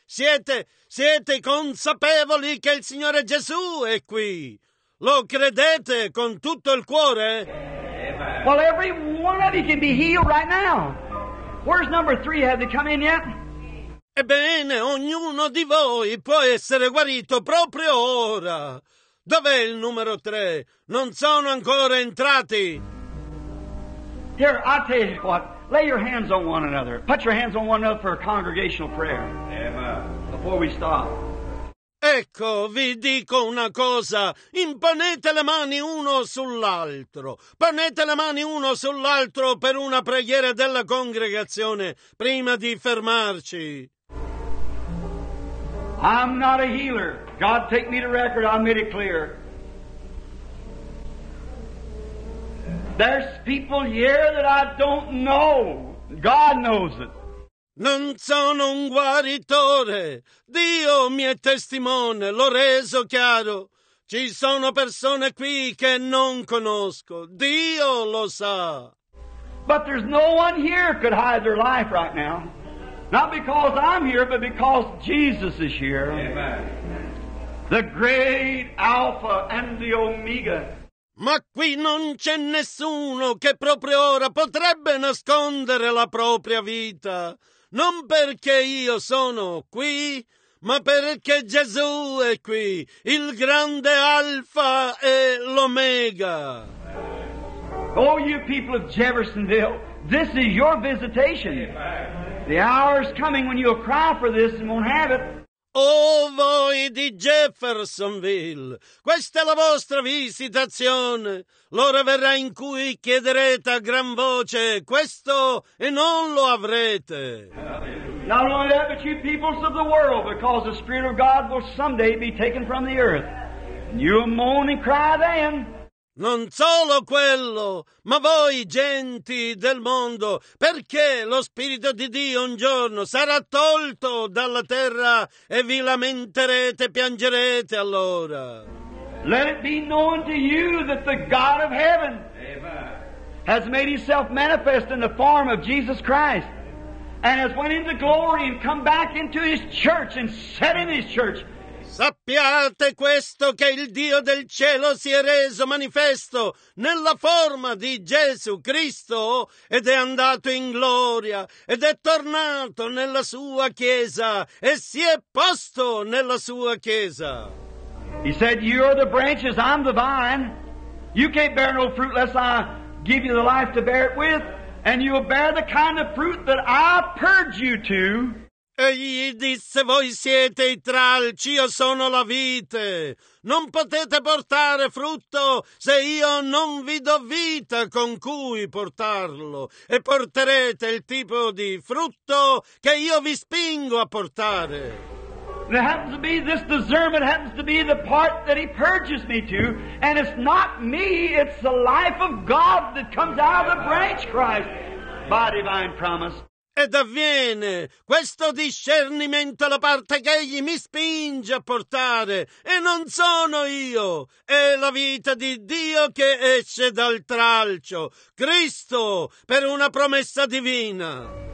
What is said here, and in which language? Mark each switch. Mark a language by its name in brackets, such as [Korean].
[Italian] Siete consapevoli che il Signore Gesù è qui? Lo credete con tutto il cuore? [English] Well, every one of you can be healed right now. Where's number three? Have they come in yet? [Italian] Ebbene, ognuno di voi può essere guarito proprio ora. Dov'è il numero tre? Non sono ancora entrati. [English] Here, I tell you what. Lay your hands on one another. Put your hands on one another for a congregational prayer. Amen. Before we stop. [Italian] Ecco, vi dico una cosa. Imponete le mani uno sull'altro. Ponete le mani uno sull'altro per una preghiera della congregazione prima di fermarci. [English] I'm not a healer. God take me to record. I made it clear. There's people here that I don't know. God knows it. [Italian] Non sono un guaritore. Dio mi è testimone. L'ho reso chiaro. Ci sono persone qui che non conosco. Dio lo sa. [English] But there's no one here could hide their life right now. Not because I'm here, but because Jesus is here. Amen. The great Alpha and the Omega. [Italian] Ma qui non c'è nessuno che proprio ora potrebbe nascondere la propria vita. Non perché io sono qui, ma perché Gesù è qui. Il grande Alfa e l'Omega. [English] Oh, you people of Jeffersonville, this is your visitation. The hour is coming when you'll cry for this and won't have it. [Italian] Oh, voi di Jeffersonville, questa è la vostra visitazione. L'ora verrà in cui chiederete a gran voce questo e non lo avrete. [English] Not only that, but you peoples of the world, because the Spirit of God will someday be taken from the earth. You'll moan and cry then. [Italian] Non solo quello, ma voi genti del mondo, perché lo Spirito di Dio un giorno sarà tolto dalla terra e vi lamenterete, piangerete allora. [English] Let it be known to you that the God of heaven has made himself manifest in the form of Jesus Christ and has went into glory and come back into his church and set in his church. [Italian] Sappiate questo, che il Dio del cielo si è reso manifesto nella forma di Gesù Cristo ed è andato in gloria ed è tornato nella sua chiesa e si è posto nella sua chiesa. [English] He said, you are the branches, I'm the vine. You can't bear no fruit unless I give you the life to bear it with. and you will bear the kind of fruit that I purge you to. [Italian] E gli disse, voi siete i tralci, io sono la vite. Non potete portare frutto se io non vi do vita con cui portarlo. E porterete il tipo di frutto che io vi spingo a portare. [English] It happens to be this discernment happens to be the part that he purges me to. And it's not me, it's the life of God that comes out of the branch Christ by divine promise. [Italian] Ed avviene questo discernimento, la parte che egli mi spinge a portare, e non sono io, è la vita di Dio che esce dal tralcio, Cristo, per una promessa divina.